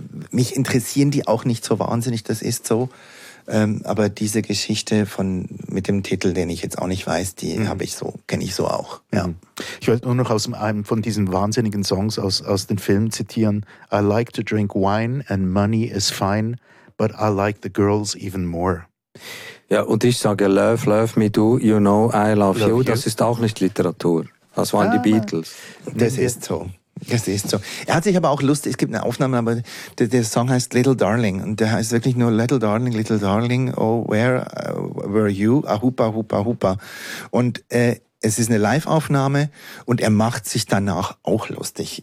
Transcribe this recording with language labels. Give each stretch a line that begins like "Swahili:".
German: Mich interessieren die auch nicht so wahnsinnig, das ist so. Aber diese Geschichte mit dem Titel, den ich jetzt auch nicht weiß, die kenne ich so auch. Ja. Ich wollte nur noch aus einem von diesen wahnsinnigen Songs aus den Filmen zitieren.
English: I like to drink wine and money is fine, but I like the girls even more.
German: Ja, und ich sage
English: love, love me do, you know I love you.
German: Das ist auch nicht Literatur. Das waren die Beatles. Das ist so. Er hat sich aber auch lustig, es gibt eine Aufnahme, aber der Song heißt Little Darling und der heißt wirklich nur Little Darling,
English: oh, where were you?
German: Ahupa, hupa, hupa. Und es ist eine Live-Aufnahme und er macht sich danach auch lustig.